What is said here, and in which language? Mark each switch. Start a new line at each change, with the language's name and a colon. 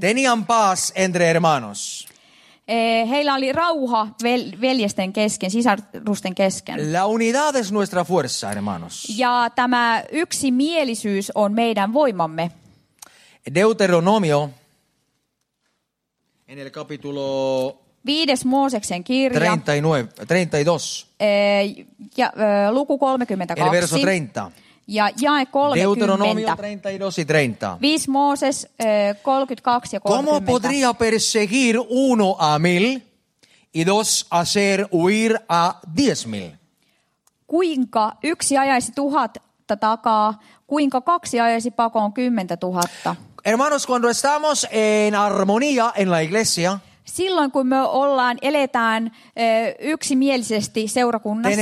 Spanish: Tenían paz entre hermanos.
Finnish: Heillä oli rauha veljesten kesken, sisarusten kesken.
Spanish: La unidad es nuestra fuerza, hermanos.
Finnish: Ja tämä yksimielisyys on meidän voimamme.
Spanish: Deuteronomio. En el capítulo
Finnish: 5 Mooseksen kirja
Spanish: 32.
Finnish: Ja luku 32.
Spanish: El verso 30.
Finnish: Ja jae 30.
Spanish: Deuteronomio 32 y 30.
Finnish: 5 Mooses 32 ja 30.
Spanish: ¿Cómo podría perseguir uno a mil y dos hacer huir a 10,000?
Finnish: Kuinka yksi ajaisi 1,000 takaa, kuinka kaksi ajaisi pakoon 10,000?
Spanish: Hermanos, cuando estamos en armonía en la iglesia,
Finnish: silloin kun me ollaan eletään yksimielisesti seurakunnassa,